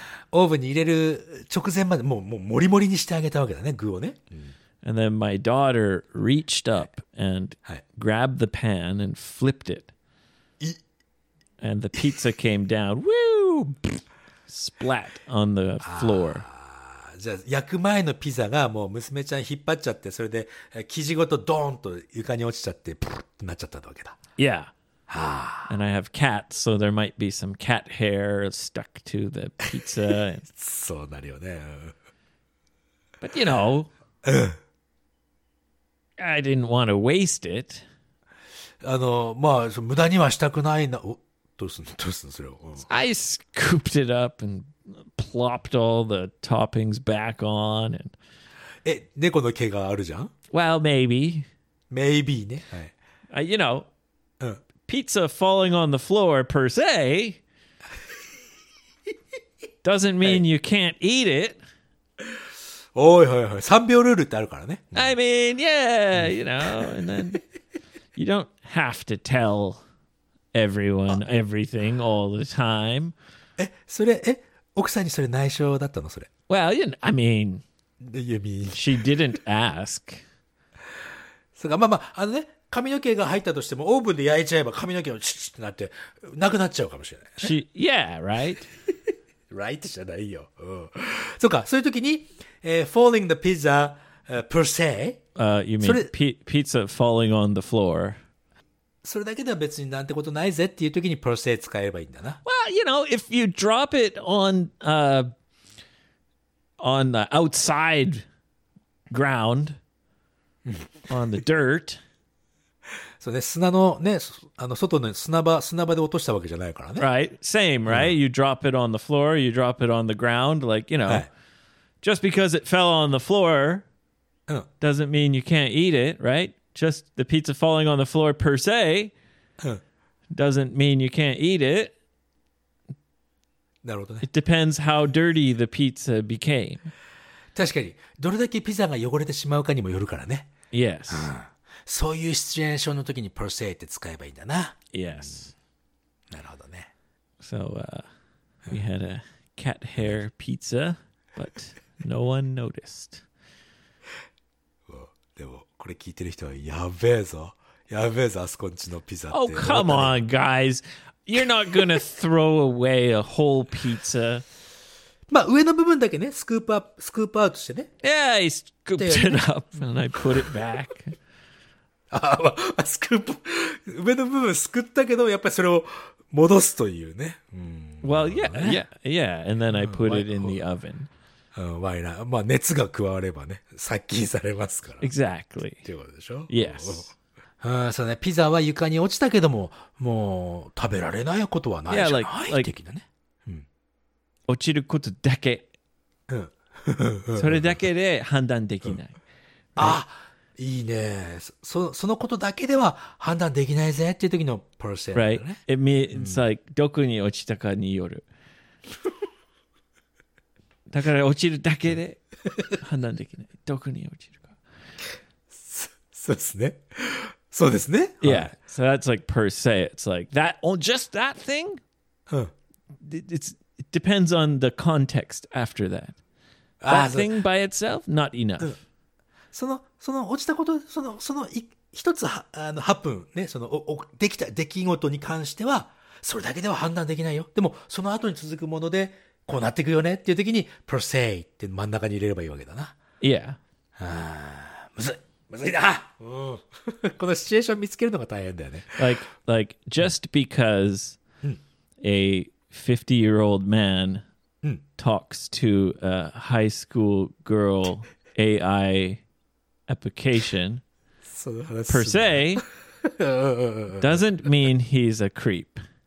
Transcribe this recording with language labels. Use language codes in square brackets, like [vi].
[ja] オーブンに入れる直前までもうモリモリにしてあげたわけだね、具をね。 [en] And then my daughter reached up and grabbed the pan and flipped it. And the pizza came down, woo! Splat on the floor. [ja] じゃあ焼く前のピザがもう娘ちゃん引っ張っちゃってそれで生地ごとドーンと床に落ちちゃってプルッとなっちゃったわけだ。 [en] Yeah. [ja] はあ。 [en] And I have cats, so there might be some cat hair stuck to the pizza. [ja] そうなるよね。 [en] But you know, I didn't want to waste it. [ja] あの、まあ、無駄にはしたくないな。お、どうすんの、どうすんの、それを。 [en] I scooped it up and... plopped all the toppings back on and [ja] え、猫の毛があるじゃん? [en] Well, maybe. [ja] Maybe, ね。はい。 [en] You know, pizza falling on the floor per se doesn't mean you can't eat it. [ja] おいおいおい、3秒ルールってあるからね。 [en] I mean, yeah, you know, and then you don't have to tell everyone everything all the time. [ja] え、それ、え? 奥さんにそれ内緒だったのそれ。 [en] Well, you know, I mean, you mean? She didn't ask. [ja] そうか、まあまあ、あのね、髪の毛が入ったとしても、オーブンで焼いちゃえば髪の毛がチッチッとなって、なくなっちゃうかもしれない。 [en] She, yeah, right? [ja] right じゃないよ。うん、そうか、そういう時に、 [en] falling the pizza, per se? You mean pizza falling on the floor? [ja] それだけでは別になんてことないぜっていう時に per se 使えればいいんだな。 [en] Well, you know, if you drop it on the outside ground, on the dirt. [ja] そうね、砂のね、あの外の砂場で落としたわけじゃないからね。 [en] Right, same, right?、うん、you drop it on the floor, you drop it on the ground, like, you know,、はい、just because it fell on the floor、 [ja] うん、 [en] doesn't mean you can't eat it, right? Just the pizza falling on the floor per se doesn't mean you can't eat it. [ja] なるほどね。 [en] It depends how dirty the pizza became. [ja] 確かに、どれだけピザが汚れてしまうかにもよるからね。 [en] Yes. [ja] そういうシチュエーションの時に per se って使えばいいんだな。 [en] Yes. [ja] なるほどね。 [en] So, we had a cat hair pizza, but no one noticed. [ja] でも、これ聞いてる人はやべえぞ。やべえぞ、あそこんちのピザって。 [en] Oh, come on, guys. You're not gonna throw away a whole pizza. [ja] まあ、上の部分だけね、スクープアウトしてね。 [en] Yeah, I scooped it up and I put it back. [ja] スクープ、上の部分すくったけど、やっぱりそれを戻すというね。 [en] Well, yeah, yeah, yeah. And then I put it in the oven. Why not? [ja] まあ熱が加わればね、殺菌されますから。 [en] Exactly. [ja] っていうことでしょ? [en] Yes. [ja] そうね、ピザは床に落ちたけども、もう食べられないことはないじゃない [en] yeah, like, [ja] 的なね。落ちることだけ。それだけで判断できない。うん、あ、いいね。そのことだけでは判断できないぜっていう時のパーセントだね。 [en] Right. It means like、 [ja] うん、どこに落ちたかによる。だから落ちるだけで判断できない。どこに落ちるか。そうですね。そうですね。 [en] Yeah.、はい、so that's like per se. It's like that on just that thing.、うん、 It depends on the context after that. That thing by itself, not enough.、うん、 [ja] その落ちたこと、その一つあのハプンね、そのできた出来事に関しては、それだけでは判断できないよ。でも、その後に続くもので、こうなっていくよねっていう時に、per se って真ん中に入れればいいわけだな。 [en] Yeah. [ja] むずい。むずいな。このシチュエーション見つけるのが大変だよね。 [en] Like, just because、うん、a 50-year-old man、うん、talks to a high school girl AI application per se doesn't mean he's a creep.